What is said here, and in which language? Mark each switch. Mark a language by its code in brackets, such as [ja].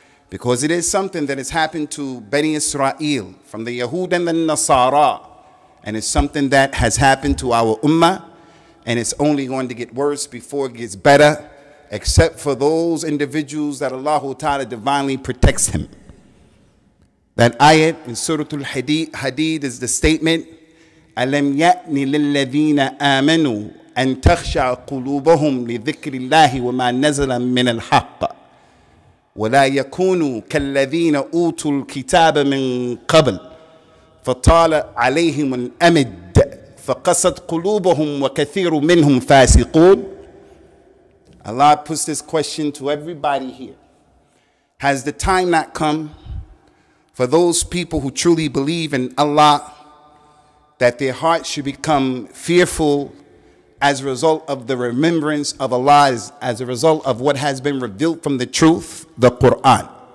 [en] Because it is something that has happened to Bani Israel from the Yahud and the Nasara. And it's something that has happened to our Ummah. And it's only going to get worse before it gets better. Except for those individuals that Allah Ta'ala divinely protects him. That ayat in Surah Al-Hadid is the statement, [ar] أَلَمْ يَأْنِ لِلَّذِينَ آمَنُوا أَن تَخْشَعَ قُلُوبَهُمْ لِذِكْرِ اللَّهِ وَمَا نَزَلَ مِنَ الْحَقَّ وَلَا يَكُونُوا كَالَّذِينَ أُوتُوا الْكِتَابَ مِنْ قَبْلِ فَطَالَ عَلَيْهِمُ الْأَمَدُ فَقَسَتْ قُلُوبُهُمْ وَكَثِيرٌ مِنْهُمْ فَاسِقُونَ. [en] Allah puts this question to everybody here. Has the time not come for those people who truly believe in Allah that their hearts should become fearful as a result of the remembrance of Allah, as a result of what has been revealed from the truth, the Quran?